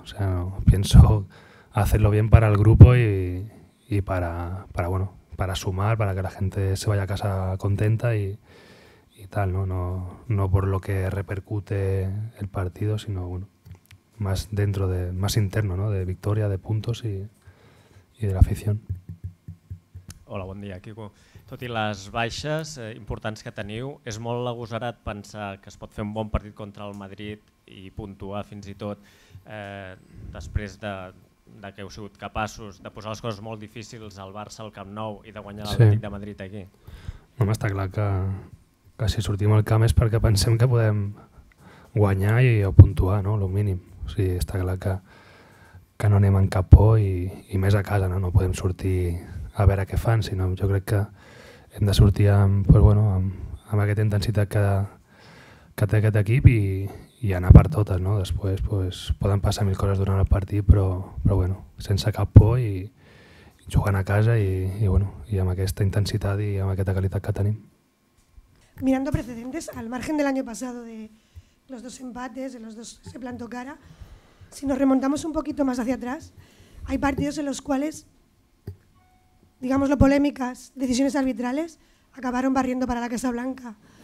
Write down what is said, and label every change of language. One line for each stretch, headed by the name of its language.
Spanish: O sea, no, pienso hacerlo bien para el grupo y para bueno, para sumar, para que la gente se vaya a casa contenta y tal, ¿no? No por lo que repercute el partido, sino bueno, más dentro de más interno, ¿no? De victoria, de puntos y de la afición. Hola, buen día, Quico.
Catalan: Tot i les baixes importants que teniu, és molt agosarat pensar que es pot fer un bon partit contra el Madrid i puntuar fins i tot després de que heu sigut capaços de posar les coses molt difícils al Barça al Camp Nou i de guanyar l'Atlètic de Madrid aquí. No, m'està clar que si sortim al camp és perquè pensem que podem guanyar i o puntuar, no? Lo mínim. O sigui, està clar que no anem en cap por i més a casa, no? No podem sortir a veure què fan, sinó jo crec que hem de sortir amb, pues bueno, amb aquesta intensitat que té aquest equip i anar per totes, no? Després pues, poden passar mil coses durant el partit, però bueno, sense cap por i jugant a casa i, bueno, i amb aquesta intensitat i amb aquesta qualitat que tenim.
Spanish: Mirando precedentes, al margen del año pasado de los dos empates, de los dos se plantó cara, si nos remontamos un poquito más hacia atrás, hay partidos en los cuales, digámoslo, polémicas, decisiones arbitrales, acabaron barriendo para la Casa Blanca.